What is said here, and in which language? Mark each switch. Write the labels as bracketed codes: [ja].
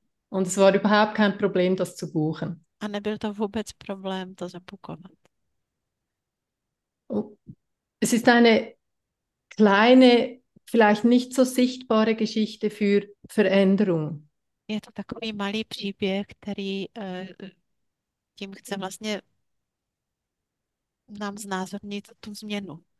[de] und es war überhaupt kein Problem, das zu buchen. [cs] A nebyl to vůbec problém to zabukovat. [de] Es ist eine kleine, vielleicht nicht so sichtbare Geschichte für Veränderung. [cs] Je to takový malý příběh, který tím chce vlastně nám znázornit tu změnu.